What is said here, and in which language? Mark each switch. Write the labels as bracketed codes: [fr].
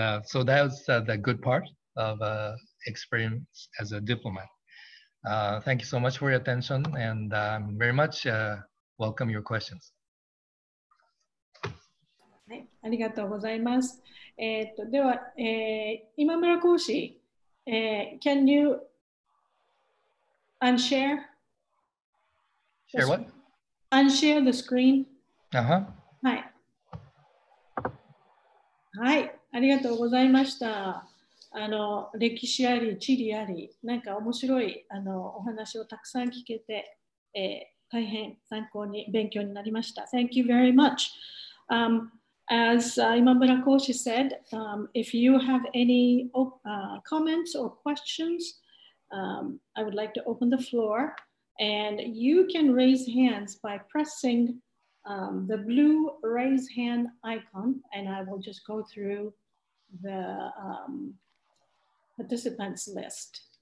[en] So that was the good part of experience as a diplomat. Thank you so much for your attention, and very much welcome your questions. [ja] ありがとうございます。では、今村講師、 [en] can you and share. Share what? And share the screen. Uh-huh. Hi. Hi. [ja] ありがとうございました。あの、歴史あり、地理あり、なんか面白いあのお話をたくさん聞けて、大変参考に勉強になりました。 [en] Thank you very much. As Imamura Koshi said, if you have any comments or questions, I would like to open the floor. And you can raise hands by pressing the blue raise hand icon, and I will just go through the participants list.